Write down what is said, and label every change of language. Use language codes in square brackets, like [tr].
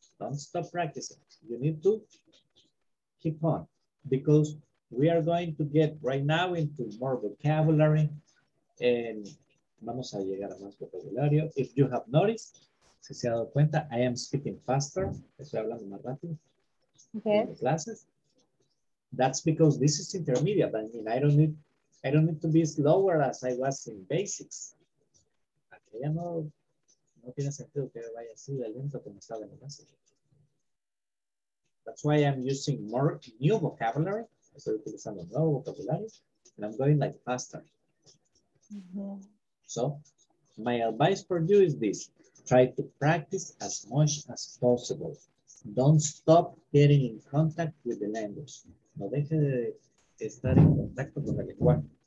[en] Don't stop practicing. You need to keep on because we are going to get right now into more vocabulary and [es] vamos a llegar a más vocabulario. [en] If you have noticed, [es] si se ha dado cuenta, [en] I am speaking faster. [es] Estoy hablando más rápido. [en] Okay. Classes. That's because this is intermediate. But I mean, I don't need to be slower as I was in basics. [es] Okay, ya no tiene sentido que vaya así de lento como estaba en el básico. [en] That's why I'm using more new vocabulary. [es] Estoy utilizando nuevo vocabulario. [en] And I'm going like faster. Mm-hmm. So, my advice for you is this. Try to practice as much as possible. Don't stop getting in contact with the language. [es] No deje de estar en contacto con el lenguaje.